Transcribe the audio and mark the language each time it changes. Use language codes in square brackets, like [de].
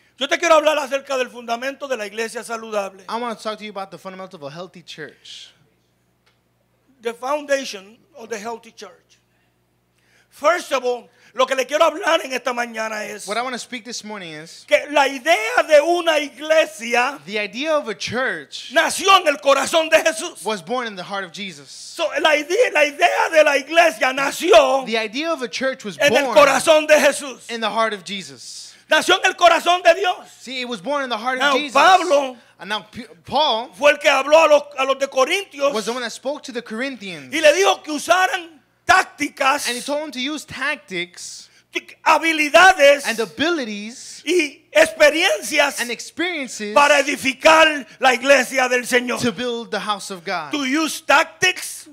[es] Yo te quiero hablar acerca del fundamento de la iglesia saludable. [en] I want to talk to you about the fundamental of a healthy church. The foundation of the healthy church. First of all, [es] lo que le quiero hablar en esta mañana es [en] what I want to speak this morning is [es] que la idea de una iglesia, [en] the idea of a church, [es] nació en el corazón de Jesús. [en] Was born in the heart of Jesus. So [es] la idea de la iglesia nació, [en] the idea of a church was [es] en [en] born [es] el corazón de Jesús. [en] In the heart of Jesus. [es] Nació en el corazón de Dios. [en] See, it was born in the heart now, of Jesus. [es] Pablo, [en] and now Paul [es] fue el que habló a los de Corintios, [en] was the one that spoke to the Corinthians. [es] Y le dijo que usaran tácticas, [en] and he told them to use tactics, [es] habilidades, [en] and abilities, [es] y experiencias, [en] and experiences, [es] para edificar la iglesia del Señor, [en] to build the house of God. To use tactics,